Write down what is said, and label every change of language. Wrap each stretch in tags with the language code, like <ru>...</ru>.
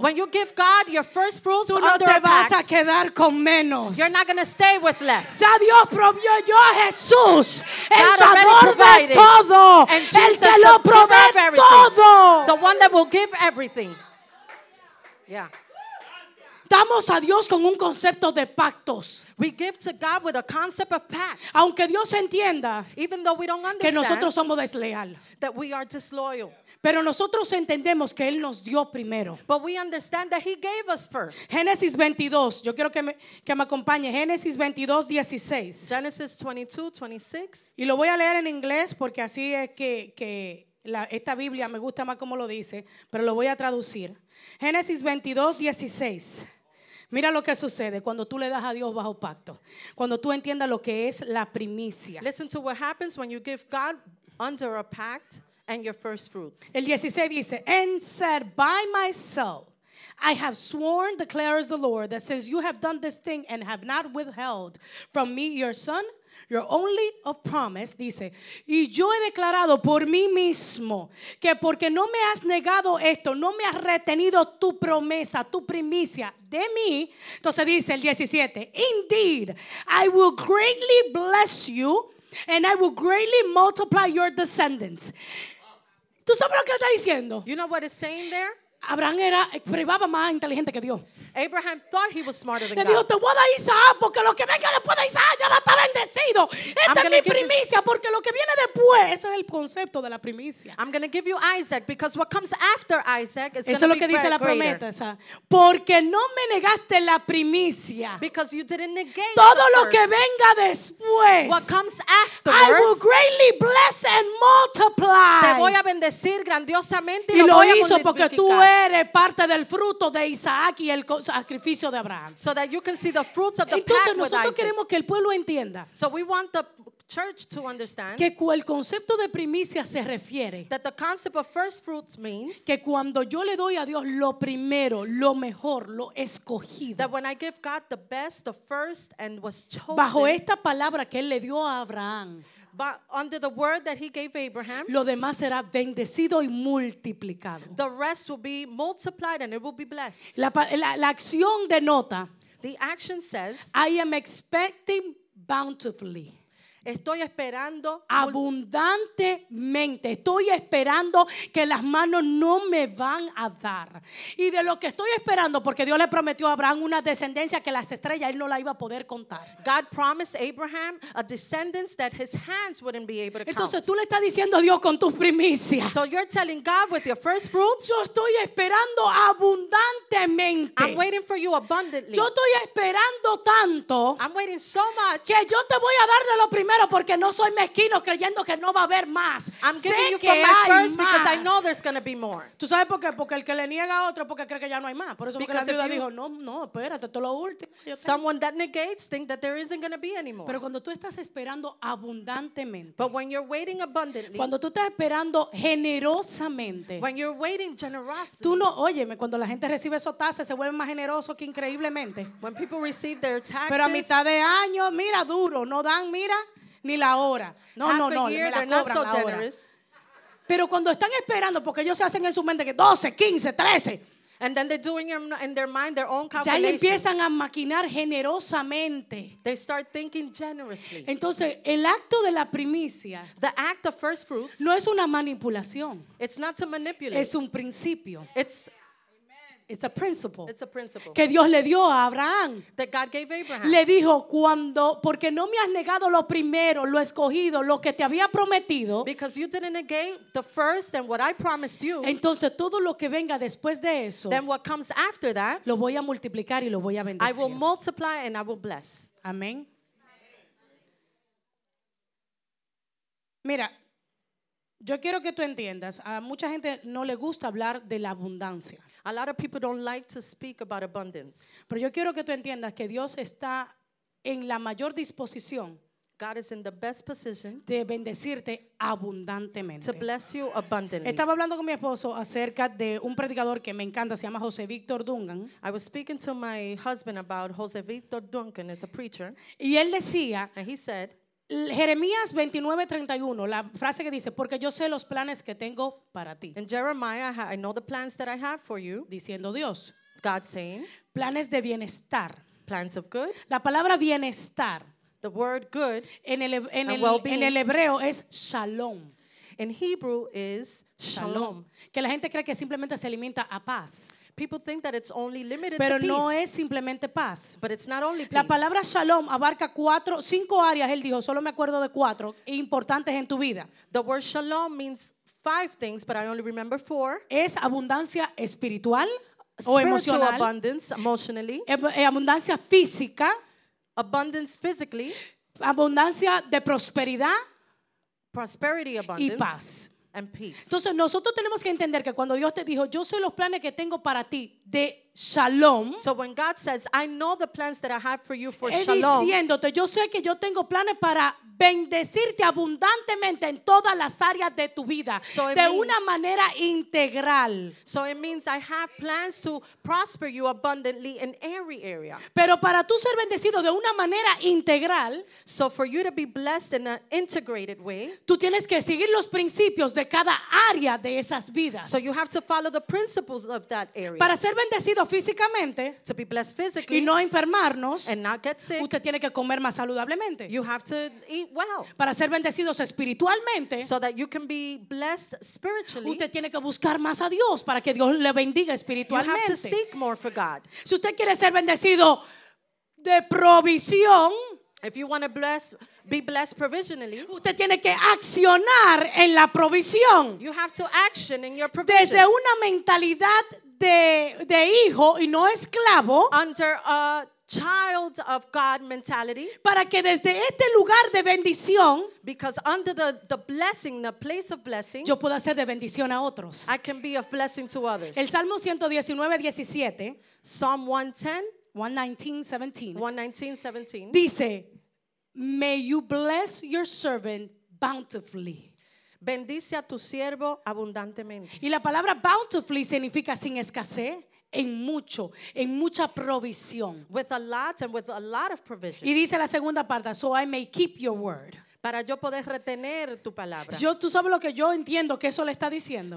<en>when you give God your first fruits</en> <es>tú no</es> <en>under</en> <es>te</es> <en>a pact,</en> <es>vas a quedar con menos.</es> <en>You're not going to stay with less.</en> <es>Ya Dios provió yo a Jesús, el dador de todo, el que lo provee todo.</es> <en>The one that will give everything. Yeah.</en> <es>Damos a Dios con un concepto de pactos.</es> <en>We give to God with a concept of pact.</en> <es>Aunque Dios entienda,</es> <en>even though we don't understand,</en> <es>que nosotros somos desleal,</es> <en>that we are disloyal.</en> <es>Pero nosotros entendemos que Él nos dio primero.</es> <en>But we understand that He gave us first.</en> <es>Génesis 22. Yo quiero que me acompañe. Génesis 22, 16.</es> <en>Genesis 22, 26.</en> <es>Y lo voy a leer en inglés porque así es que esta Biblia me gusta más como lo dice. Pero lo voy a traducir. Génesis 22, 16. Mira lo que sucede cuando tú le das a Dios bajo pacto. Cuando tú entiendas lo que es la primicia.</es> <en>Listen to what happens when you give God under a pact. And your first fruits.</en> <es>El 16 dice,</es> <en>and said, by myself, I have sworn, declares the Lord, that since you have done this thing and have not withheld from me your son, your only of promise,</en> <es>dice, y yo he declarado por mí mismo que porque no me has negado esto, no me has retenido tu promesa, tu primicia de mí. Entonces dice el 17,</es> <en>indeed, I will greatly bless you and I will greatly multiply your descendants.</en> <es>¿Tú sabes lo que está diciendo?</es> <en>You know what it's saying there?</en> <es>Abraham era privaba más inteligente que Dios.</es> <en>Abraham thought he was smarter than</en> <es>God. Le dijo, te voy a dar Isaac porque lo que venga después de Isaac ya va a estar bendecido. Esta es mi primicia porque lo que viene después, ese es el concepto de la primicia.</es> <en>I'm going to give you Isaac because what comes after Isaac is going to be</en> <es>eso es lo que dice la promesa. O sea, porque no me negaste la primicia.</es> <en>Because you didn't negate</en> <es>todo lo que venga después.</es> <en>What comes afterwards. I will greatly bless and multiply.</en> <es>Te voy a bendecir grandiosamente y lo voy hizo a porque tú eres parte del fruto de Isaac y el sacrificio de Abraham.</es> <en>So that you can see the fruits of the</en> <es>entonces</es> <en>pact</en> <es>nosotros</es> <en>with Isaac.</en> <es>Queremos que el pueblo entienda.</es> <en>So we want the church to understand</en> <es>que el concepto de primicia se refiere</es> <en>that the concept of first fruits means</en> <es>que cuando yo le doy a Dios lo primero, lo mejor, lo escogido,</es> <en>that when I give God the best, the first and was chosen,</en> <es>bajo esta palabra que él le dio a Abraham,</es> <en>but under the word that he gave Abraham,</en> <es>lo demás será bendecido y multiplicado.</es> <en>The rest will be multiplied and it will be blessed.</en> <es>La acción denota,</es> <en>the action says, I am expecting bountifully.</en> <es>Estoy esperando abundantemente. Estoy esperando que las manos no me van a dar. Y de lo que estoy esperando, porque Dios le prometió a Abraham una descendencia que las estrellas él no la iba a poder contar.</es> <en>God promised Abraham a descendants that his hands wouldn't be able to count.</en> <es>Entonces tú le estás diciendo a Dios con tus primicias.</es> <en>So you're telling God with your first fruits.</en> <es>Yo estoy esperando abundantemente.</es> <en>I'm waiting for you abundantly.</en> <es>Yo estoy esperando tanto.</es> <en>I'm waiting so much.</en> <es>Que yo te voy a dar de lo primero. primero porque no soy mezquino creyendo que no va a haber más.</es> <en>I'm giving</en> <es>sé</es> <en>you</en> <es>que</es> <en>from my first</en> <es>más.</es> <en>Because I know there's going to be more.</en> <es>¿Tú sabes por qué? Porque el que le niega a otro porque cree que ya no hay más. Por eso porque la viuda dijo, "No, no, espérate, esto es lo último."</es> <en>Someone that negates think that there isn't going to be anymore.</en> <es>Pero cuando tú estás esperando abundantemente,</es> <en>but when you're waiting abundantly,</en> <es>cuando tú estás esperando generosamente,</es> <en>when you're waiting generously,</en> <es>tú no, óyeme, cuando la gente recibe esos tazas se vuelve más generoso que increíblemente.</es> <en>When people receive their taxes,</en> <es>pero a mitad de año, mira, duro, no dan, mira, ni la hora. No,</es> <en>half</en> <es>no, no,</es> <en>year,</en> <es>me la cobran</es> <en>not so generous.</en> <es>La hora. Pero cuando están esperando, porque ellos se hacen en su mente que 12, 15, 13.</es> <en>And then they're doing in their mind their own</en> <es>calculations. Ya empiezan a maquinar generosamente.</es> <en>They start thinking generously.</en> <es>Entonces, el acto de la primicia,</es> <en>the act of first fruits,</en> <es>no es una manipulación.</es> <en>It's not to manipulate.</en> <es>Es un principio.</es> <en>It's It's a principle</en> <es>que Dios le dio a Abraham.</es> <en>That God gave Abraham.</en> <es>Le dijo, cuando, porque no me has negado lo primero, lo escogido, lo que te había prometido.</es> <en>Because you didn't negate the first and what I promised you.</en> <es>Entonces todo lo que venga después de eso,</es> <en>then what comes after that,</en> <es>lo voy a multiplicar y lo voy a bendecir.</es> <en>I will multiply and I will bless.</en> <es>Amén. Mira, yo quiero que tú entiendas, a mucha gente no le gusta hablar de la abundancia.</es> <en>A lot of people don't like to speak about abundance.</en> <es>Pero yo quiero que tú entiendas que Dios está en la mayor disposición.</es> <en>God is in the best position.</en> <es>De bendecirte abundantemente.</es> <en>To bless you abundantly.</en> <es>Estaba hablando con mi esposo acerca de un predicador que me encanta, se llama José Víctor Duncan.</es> <en>I was speaking to my husband about José Víctor Duncan as a preacher.</en> <es>Y él decía,</es> <en>and he said,</en> <es>Jeremías 29:31, la frase que dice, porque yo sé los planes que tengo para ti.</es> <en>In Jeremiah, I know the plans that I have for you.</en> <es>Diciendo Dios.</es> <en>God saying.</en> <es>Planes de bienestar.</es> <en>Plans of good.</en> <es>La palabra bienestar.</es> <en>The word good.</en> <es>En el hebreo es shalom.</es> <en>In Hebrew is shalom.</en> <es>Que la gente cree que simplemente se limita a paz.</es> <en>People think that it's only limited</en> <es>pero</es> <en>to peace.</en> <es>No es simplemente paz.</es> <en>But it's not only peace.</en> <es>La palabra shalom abarca cinco áreas, él dijo, solo me acuerdo de cuatro, importantes en tu vida.</es> <en>The word shalom means five things, but I only remember four.</en> <es>Es abundancia espiritual o emocional.</es> <en>Spiritual abundance, emotionally.</en> <es>Abundancia física.</es> <en>Abundance physically.</en> <es>Abundancia de prosperidad.</es> <en>Prosperity abundance.</en> <es>Y paz.</es> <en>And peace.</en> <es>Entonces nosotros tenemos que entender que cuando Dios te dijo, yo sé los planes que tengo para ti de shalom.</es> <en>So when God says, I know the plans that I have for you for</en> <es>él</es> <en>shalom.</en> <es>Él diciéndote, yo sé que yo tengo planes para bendecirte abundantemente en todas las áreas de tu vida.</es> <en>So</en> <es>de</es> <en>means,</en> <es>una manera integral.</es> <en>So it means I have plans to prosper you abundantly in every area.</en> <es>Pero para tú ser bendecido de una manera integral.</es> <en>So for you to be blessed in an integrated way.</en> <es>Tú tienes que seguir los principios de cada área de esas vidas.</es> <en>So you have to follow the principles of that area.</en> <es>Para ser bendecido físicamente.</es> <en>To be blessed physically.</en> <es>Y no enfermarnos.</es> <en>And not get sick.</en> <es>Usted tiene que comer más saludablemente.</es> <en>You have to eat well.</en> <es>Para ser bendecidos espiritualmente.</es> <en>So that you can be blessed spiritually.</en> <es>Usted tiene que buscar más a Dios para que Dios le bendiga espiritualmente.</es> <en>You have to seek more for God.</en> <es>Si usted quiere ser bendecido de provisión.</es> <en>If you want to be blessed provisionally.</en> <es>Usted tiene que accionar en la provisión.</es> <en>You have to action in your provision.</en> <es>Desde una mentalidad de hijo y no esclavo.</es> <en>Under a child of God mentality.</en> <es>Para que desde este lugar de bendición.</es> <en>Because under the blessing, the place of blessing.</en> <es>Yo pueda ser de bendición a otros.</es> <en>I can be of blessing to others.</en> <es>El Salmo 119:17.</es> <en>Psalm 110.</en> <es>119:17.</es> <en>Dice, may you bless your servant bountifully.</en> <es>Bendice a tu siervo abundantemente. Y la palabra bountifully significa sin escasez, en mucho, en mucha provisión.</es> <en>With a lot and with a lot of provision.</en> <es>Y dice la segunda parte,</es> <en>so I may keep your word.</en> <es>Para yo poder retener tu palabra. Yo, tú sabes lo que yo entiendo que eso le está diciendo.</es>